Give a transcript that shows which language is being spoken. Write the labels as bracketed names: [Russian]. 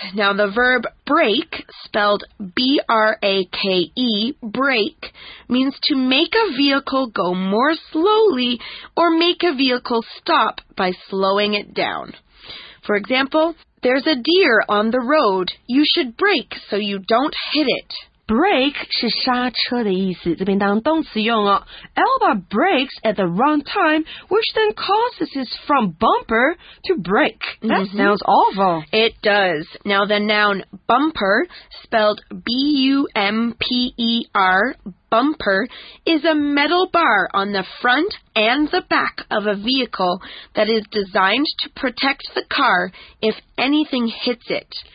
[English] Now, the verb break, spelled B-R-A-K-E, break, means to make a vehicle go more slowly or make a vehicle stop by slowing it down. For example, there's a deer on the road. You should brake so you don't hit it. [Chinese] Brake 是刹车的意思，这边当动词用哦。 [English] Elba brakes at the wrong time, which then causes his front bumper to break. That sounds awful. It does. Now the noun bumper, spelled B-U-M-P-E-R, bumper, is a metal bar on the front and the back of a vehicle that is designed to protect the car if anything hits it.